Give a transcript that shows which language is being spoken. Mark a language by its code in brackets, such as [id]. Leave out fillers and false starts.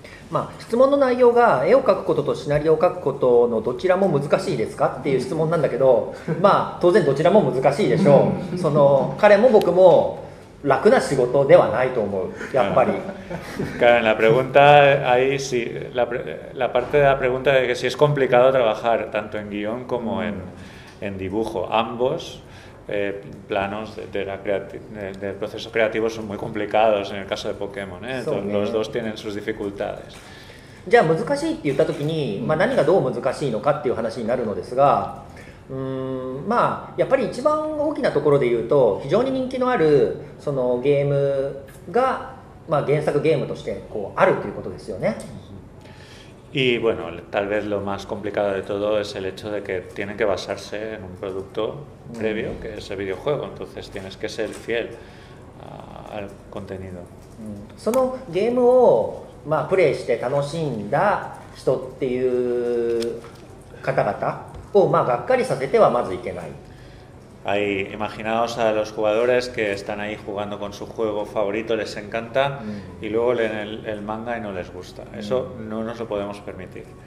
[ja] まあ、質問の内容が絵を描くこととシナリオを描くことのどちらも難しいですかっていう質問なんだけど、まあ当然どちらも難しいでしょう。その彼も僕も楽な仕事ではないと思う、やっぱり。 [es] Claro, en la pregunta ahí sí, la parte de la pregunta de que si es complicado trabajar tanto en guión como en dibujo, ambos planos del proceso creativo son muy complicados en el caso de Pokémon, ¿eh? Entonces, los dos tienen sus dificultades. [ja] じゃあ難しいって言った時に、まあ、何がどう難しいのかっていう話になるのですが、まあやっぱり一番大きなところで言うと、非常に人気のあるそのゲームが、まあ、原作ゲームとしてこうあるということですよね。 [es] Y bueno, tal vez lo más complicado de todo es el hecho de que tiene que basarse en un producto previo, que es el videojuego. Entonces tienes que ser fiel al contenido. [ja] そのゲームを、まあ、プレイして楽しんだ人っていう方々を、まあ、がっかりさせてはまずいけない。 [es] Ahí, imaginaos a los jugadores que están ahí jugando con su juego favorito, les encanta, y luego leen el manga y no les gusta. Eso no nos lo podemos permitir.